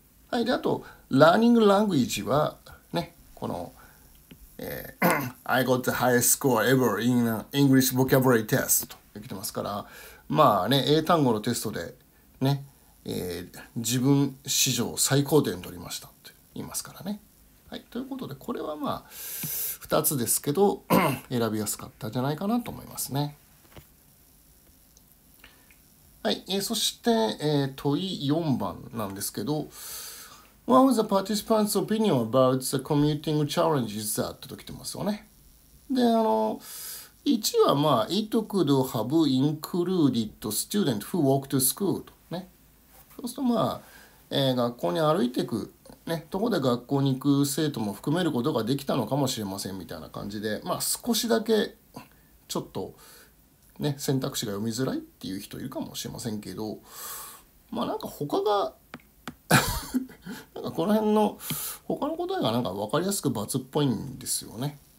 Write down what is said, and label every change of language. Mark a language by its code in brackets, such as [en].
[ja] はい、であと Learning Language はね、この、 [en] I got the highest score ever in an English vocabulary test [ja] と言ってますから、まあね英単語のテストでね、自分史上最高点取りましたと言いますからね。はい、ということでこれはまあ2つですけど選びやすかったんじゃないかなと思いますね。はい、そして、問い4番なんですけど、 [en] What was the participant's opinion about the commuting challenges that? [ja] と来てますよね。で、1はまあ、 [en] It could have included students who walk to school [ja] と、ね。そうするとまあ、学校に歩いていく、ね、ところで学校に行く生徒も含めることができたのかもしれませんみたいな感じで、まあ少しだけちょっと、ね、選択肢が読みづらいっていう人いるかもしれませんけど、まあなんか他がなんかこの辺の他の答えがなんか分かりやすく罰っぽいんですよね。